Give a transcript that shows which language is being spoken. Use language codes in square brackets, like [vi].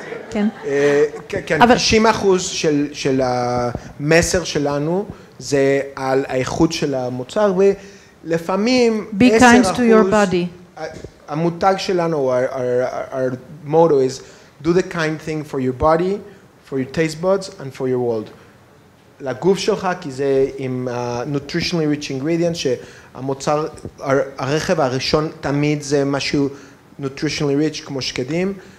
[he] כן, 90% של המסר שלנו זה על האיכות של המוצר, ולפעמים [en] 10% be kind to your body. [he] המותג שלנו, [en] our motto is do the kind thing for your body, for your taste buds and for your world. [he] לגוף שלך, כי זה עם [en] nutritionally rich ingredients, [he] שהמוצר, הרכב הראשון תמיד זה משהו [en] nutritionally rich, [he] כמו שקדים.